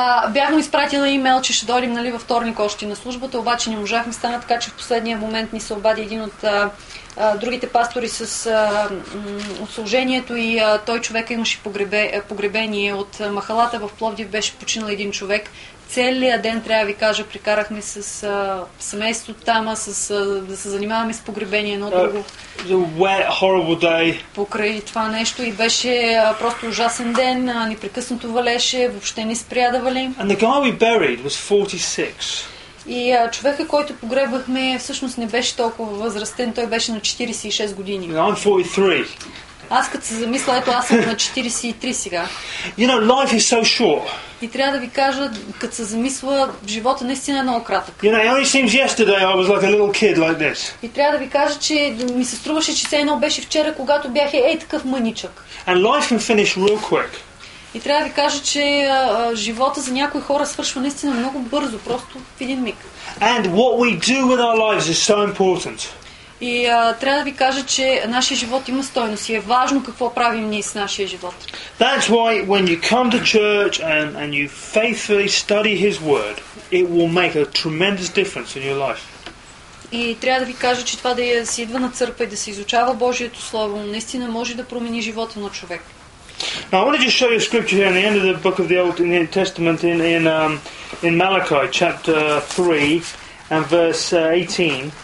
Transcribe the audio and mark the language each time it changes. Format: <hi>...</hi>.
<bg>Бяхме изпратили имейл, че ще дойдем нали, във вторник още на службата, обаче не можахме стана, така че в последния момент ни се обади един от другите пастори с служението и той човек имаше погребение от махалата в Пловдив, беше починал един човек. Целият ден, трябва ви кажа, прикарахме с семейство там, да се занимаваме с погребение едно друго.</bg> <en>The wet, horrible day.</en> <bg>Покрай това нещо и беше просто ужасен ден, непрекъснато валеше, въобще не спря да вали.</bg> <en>And the guy we buried was 46.</en> <bg>И човека, който погребахме, всъщност не беше толкова възрастен, той беше на 46 години.</bg> <en>I'm 43.</en> <bg>Аз като се замисля, ето аз съм на 43 сега.</bg> <en>You know, life is so short.</en> <bg>И трябва да ви кажа, като се замисля, живота наистина е много кратък.</bg> <en>You know, it only seems yesterday I was like a little kid like this.</en> <bg>И трябва да ви кажа, че ми се струваше, че все едно беше вчера, когато бях такъв мъничък.</bg> <en>And life can finish real quick.</en> <bg>И трябва да ви кажа, че живота за някои хора свършва наистина много бързо, просто в един миг.</bg> <en>And what we do with our lives is so important.</en> <bg>И трябва да ви кажа, че нашия живот има стойност и е важно какво правим ние с нашия живот.</bg> <en>That's why when you come to church and you faithfully study His Word, it will make a tremendous difference in your life.</en> <bg>И трябва да ви кажа, че това да си идва на църква и да се изучава Божието Слово, наистина може да промени живота на човек.</bg> <en>Now I want to just show you a scripture here in the end of the book of the Old in the Testament in Malachi chapter 3 and verse 18.</en>